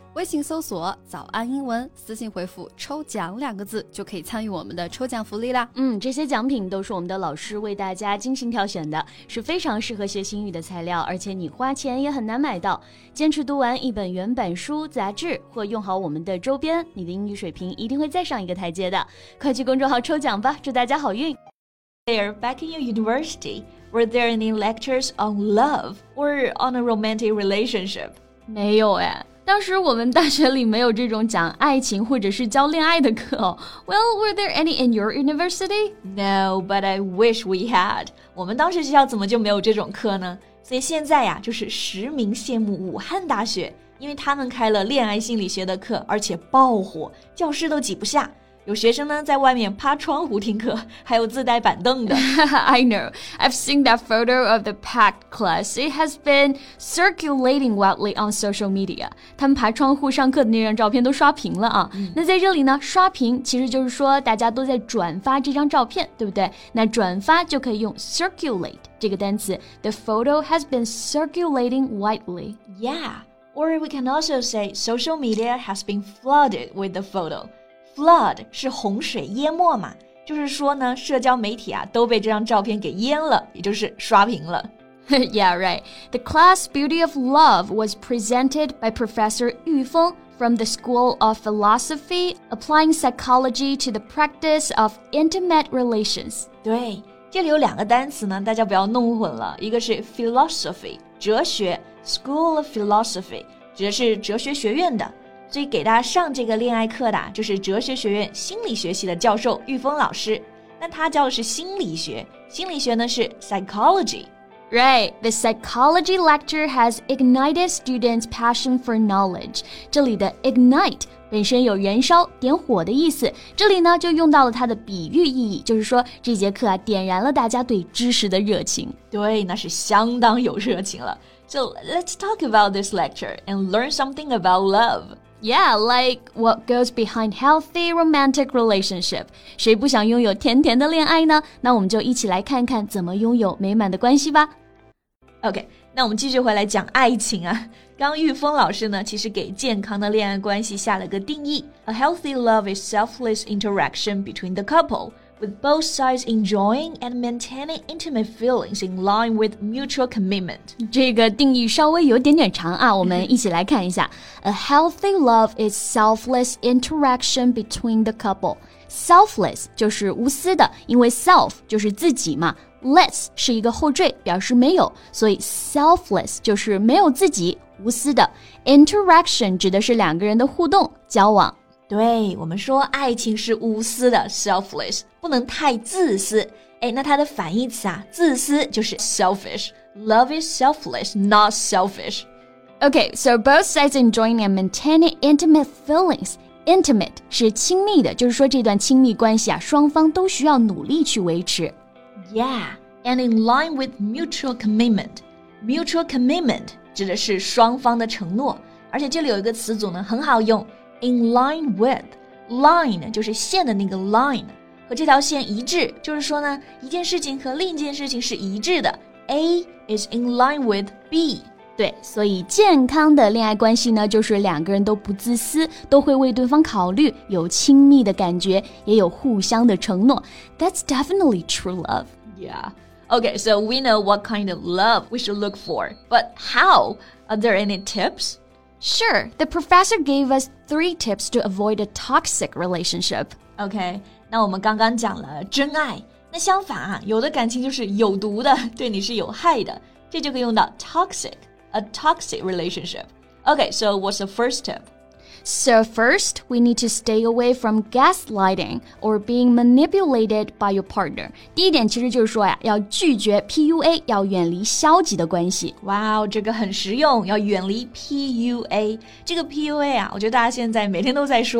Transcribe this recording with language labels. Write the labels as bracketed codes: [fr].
[zh] 微信搜索早安英文，私信回复抽奖两个字，就可以参与我们的抽奖福利啦。嗯，这些奖品都是我们的老师为大家精心挑选的，是非常适合学习英语的材料，而且你花钱也很难买到。坚持读完一本原版书、杂志或用好我们的周边，你的英语水平一定会再上一个台阶的。快去公众号抽奖吧，祝大家好运。 [en] There, back in your university, were there any lectures on love or on a romantic relationship? [zh] 没有哎。当时我们大学里没有这种讲爱情或者是教恋爱的课哦。 [en] Well, were there any in your university? No, but I wish we had. [zh] 我们当时学校怎么就没有这种课呢？所以现在呀，就是实名羡慕武汉大学，因为他们开了恋爱心理学的课，而且爆火，教室都挤不下。有学生呢在外面趴窗户听课，还有自带板凳的。 [en] I know. I've seen that photo of the packed class. It has been circulating wildly on social media. [zh] 他们爬窗户上课的那张照片都刷屏了啊。那在这里呢，刷屏其实就是说大家都在转发这张照片，对不对？那转发就可以用 circulate 这个单词。 [en] The photo has been circulating widely. Yeah. Or we can also say social media has been flooded with the photo. [zh] Flood 是洪水淹没嘛，就是说呢，社交媒体啊都被这张照片给淹了，也就是刷屏了。 [en] Yeah, right. The class Beauty of Love was presented by Professor 玉峰 from the School of Philosophy, applying psychology to the practice of intimate relations. [zh] 对，这里有两个单词呢，大家不要弄混了，一个是 philosophy, 哲学 ,School of Philosophy, 指的是哲学学院的。所以给大家上这个恋爱课的就是哲学学院心理学系的教授玉峰老师。那他教的是心理学，心理学呢是 psychology。 [en] Right, the psychology lecture has ignited students' passion for knowledge. [zh] 这里的 ignite 本身有燃烧、点火的意思，这里呢就用到了它的比喻意义，就是说这节课啊点燃了大家对知识的热情。对，那是相当有热情了。 [en] So let's talk about this lecture and learn something about love. Yeah, like what goes behind healthy romantic relationship. [zh] 谁不想拥有甜甜的恋爱呢？那我们就一起来看看怎么拥有美满的关系吧。 OK, 那我们继续回来讲爱情啊。刚玉峰老师呢，其实给健康的恋爱关系下了个定义。 [en] A healthy love is selfless interaction between the couple, with both sides enjoying and maintaining intimate feelings in line with mutual commitment. [zh] 这个定义稍微有点点长啊，我们一起来看一下。 [en] A healthy love is selfless interaction between the couple. [zh] Selfless 就是无私的，因为 self 就是自己嘛。 Less 是一个后缀，表示没有，所以 selfless 就是没有自己，无私的。 Interaction 指的是两个人的互动、交往。对，我们说爱情是无私的 ,selfless, 不能太自私。哎，那它的反义词啊，自私就是 selfish. [en] Love is selfless, not selfish. Okay, so both sides enjoying and maintaining intimate feelings. Intimate [zh] 是亲密的，就是说这段亲密关系啊，双方都需要努力去维持。 [en] Yeah, and in line with mutual commitment. [zh] Mutual commitment 指的是双方的承诺，而且这里有一个词组呢，很好用。 In line with, line 就是线的那个 line, 和这条线一致，就是说呢，一件事情和另一件事情是一致的。 [en] A is in line with B. [zh] 对，所以健康的恋爱关系呢，就是两个人都不自私，都会为对方考虑，有亲密的感觉，也有互相的承诺。 [en] That's definitely true love. Yeah. Okay, so we know what kind of love we should look for. But how? Are there any tips? Sure, the professor gave us 3 tips to avoid a toxic relationship. [zh] Okay, 那我们刚刚讲了真爱。那相反啊，有的感情就是有毒的，对你是有害的。这就可以用到 [en] toxic, a toxic relationship. Okay, so what's the first tip? So first, we need to stay away from gaslighting or being manipulated by your partner. [zh] 第一点其实就是说呀，要拒绝 PUA, 要远离消极的关系。 Wow, 这个很实用，要远离 PUA。这个 PUA 啊，我觉得大家现在每天都在说，